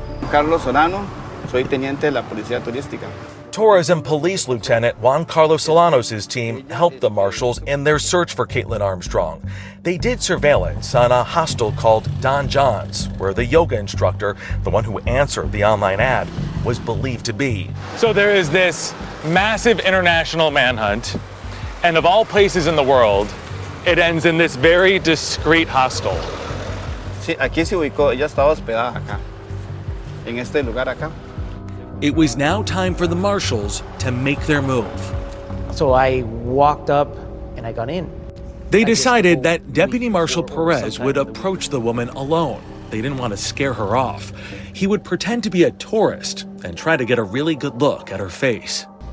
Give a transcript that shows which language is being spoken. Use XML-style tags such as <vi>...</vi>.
<es>Carlos Solano, soy teniente de la policía turística.</es> <en>Tourism Police Lieutenant Juan Carlos Solanos' team helped the marshals in their search for Caitlin Armstrong. They did surveillance on a hostel called Don John's, where the yoga instructor, the one who answered the online ad, was believed to be. So there is this massive international manhunt, and of all places in the world, it ends in this very discreet hostel.</en> <es>Sí, aquí se ubicó, ella estaba hospedada acá, en este lugar acá.</es> <en>It was now time for the marshals to make their move. So I walked up and I got in. They decided that Deputy Marshal Perez would approach the woman alone. They didn't want to scare her off. He would pretend to be a tourist and try to get a really good look at her face.</en>